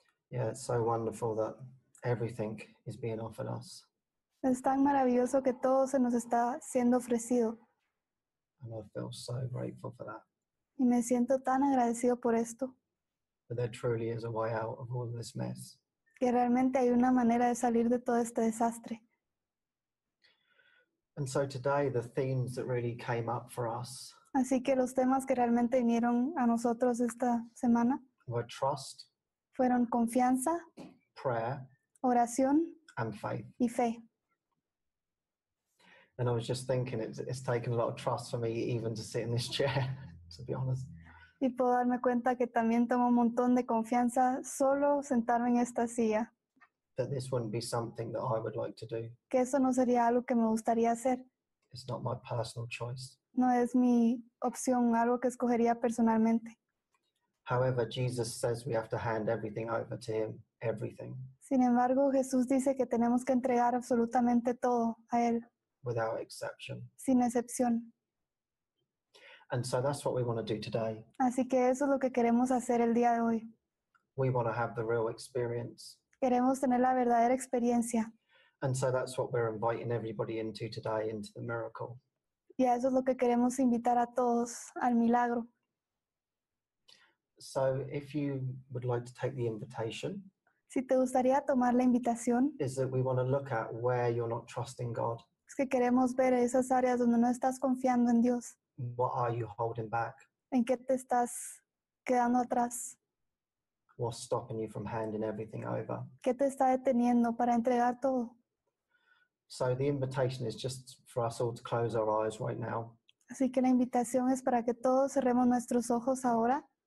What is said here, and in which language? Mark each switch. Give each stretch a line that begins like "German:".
English: Yeah, it's so wonderful that everything is being offered us.
Spanish: Es tan maravilloso que todo se nos está siendo ofrecido.
English: And I feel so grateful for that.
Spanish: Y me siento tan agradecido por esto.
English: That there truly is a way out of all this mess.
Spanish: Que realmente hay una manera de salir de todo este desastre.
English: And so today, the themes that really came up for us.
Spanish: Así que los temas que realmente vinieron a nosotros esta semana.
English: Were trust.
Spanish: Fueron confianza.
English: Prayer.
Spanish: Oración.
English: And faith.
Spanish: Y fe.
English: And I was just thinking, it's taken a lot of trust for me even to sit in this chair, to be honest.
Spanish: Y puedo darme cuenta que también tomo un montón de confianza solo sentarme en esta silla.
English: That this wouldn't be something that I would like to do.
Spanish: Que eso no sería algo que me gustaría hacer.
English: It's not my personal choice.
Spanish: No es mi opción, algo que escogería personalmente.
English: However, Jesus says we have to hand everything over to Him, everything.
Spanish: Sin embargo, Jesús dice que tenemos que entregar absolutamente todo a Él.
English: Without exception.
Spanish: Sin excepción.
English: And so that's what we want to do today.
Spanish: Así que eso es lo que queremos hacer el día de hoy.
English: We want to have the real experience.
Spanish: Queremos tener la verdadera experiencia.
English: And so that's what we're inviting everybody into today, into the miracle.
Spanish: Y eso es lo que queremos invitar a todos al milagro.
English: So if you would like to take the invitation.
Spanish: Si te gustaría tomar la invitación.
English: Is that we want to look at where you're not trusting God.
Spanish: Que queremos ver esas áreas donde no estás confiando en Dios.
English: What are you holding back?
Spanish: ¿En qué te estás quedando atrás?
English: What's stopping you from handing everything over?
Spanish: ¿Qué te está deteniendo para entregar todo?
English: So the invitation is just for us all to close our eyes right now.
Spanish: Así que la invitación es para que todos cerremos nuestros ojos ahora.